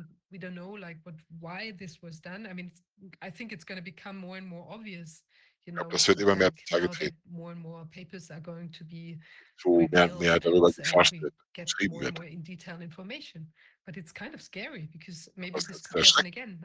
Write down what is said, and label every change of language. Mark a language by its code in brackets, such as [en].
[en] We don't know like what why this was done. I mean, I think it's going to become more and more obvious, you know, [de] das wird immer mehr zutage treten. [en] More and more papers are going to be [de] so mehr und mehr darüber geforscht wird, geschrieben wird. [en] In detail information. But it's kind of scary because maybe this could happen again.